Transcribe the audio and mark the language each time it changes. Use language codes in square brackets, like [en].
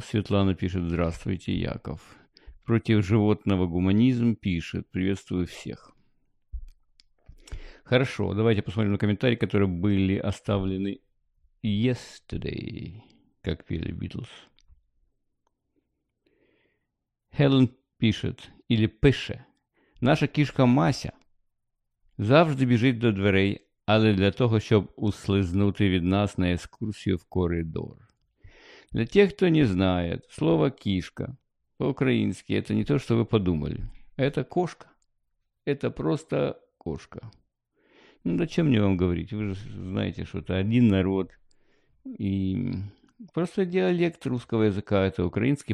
[ru] Светлана пишет: «Здравствуйте, Яков». Против животного гуманизм пишет: «Приветствую всех». Хорошо, давайте посмотрим на комментарии, которые были оставлены [en] yesterday, [ru] как пели Битлз. Хелен пишет, [uk] или пише: «Наша кишка Мася завжди бежит до дверей, але для того, щоб услизнути від нас на екскурсію в коридор». [ru] Для тех, кто не знает, слово «кішка» по-українськи – это не то, что вы подумали. Это кошка. Это просто кошка. Ну, зачем мне вам говорить? Вы же знаете, что это один народ. И просто диалект русского языка – это украинский.